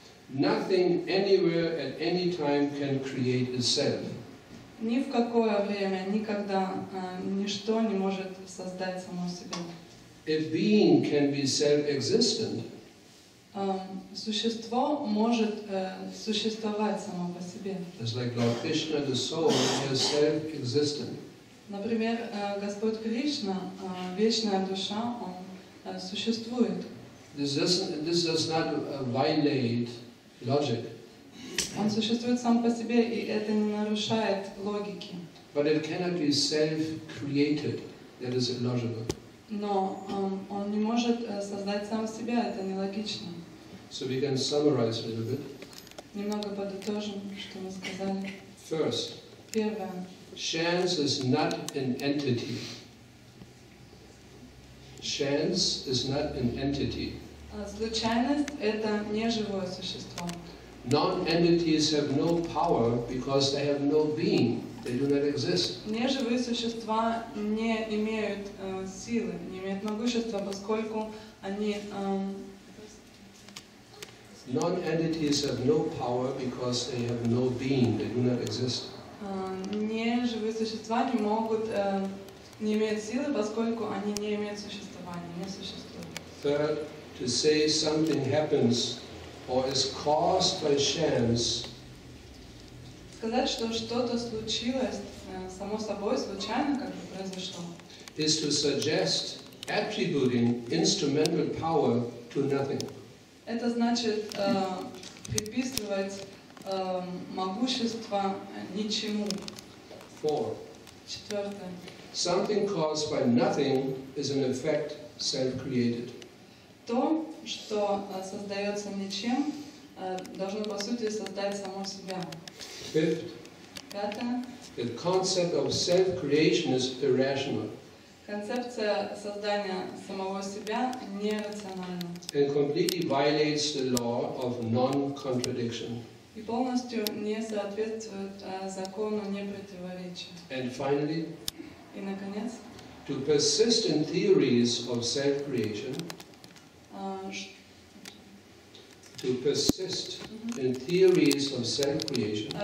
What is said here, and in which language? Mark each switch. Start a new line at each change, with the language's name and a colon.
English: Nothing anywhere at any time can create itself.
Russian: Ни в какое время, никогда, ничто не может создать само себя.
English: If being can be self-existent,
Russian: существо может существовать само по себе.
English: It's like Lord Krishna, the soul, is self-existent.
Russian: Например, Господь Кришна, вечная душа, он существует.
English: This does not violate logic.
Russian: Он существует сам по себе, и это не нарушает логики.
English: But it cannot be self-created. That is illogical.
Russian: Но он не может создать сам себя. Это нелогично.
English: So we can summarize a little bit.
Russian: Немного подытожим, что мы сказали.
English: First.
Russian: Первое.
English: Chance is not an entity. Chance is not an entity.
Russian: Случайность — это неживое существо.
English: Non-entities have no power because they have no being. They do not exist.
Russian: Неживые существа не имеют силы, не имеют могущества, поскольку они...
English: Non-entities have no power because they have no being. They do not exist.
Russian: Неживые существа не могут не имеют силы, поскольку они не имеют существования, не существуют.
English: Third, to say something happens or is caused by chance.
Russian: Сказать, что что-то случилось само собой, случайно, как бы произошло.
English: Is to suggest attributing instrumental power to nothing.
Russian: Это значит приписывать могущество ничему.
English: Four.
Russian: Четвертое.
English: Something caused by nothing is in effect self-created.
Russian: То, что создается ничем, должно по сути создать само себя.
English: Fifth.
Russian: Пятое.
English: The concept of self-creation is irrational.
Russian: Концепция создания самого себя нерациональна.
English: And completely violates the law of non-contradiction.
Russian: И полностью не соответствует закону непротиворечия.
English: And finally,
Russian: и наконец,
English: to persist in theories of self-creation, to persist in theories of self-creation,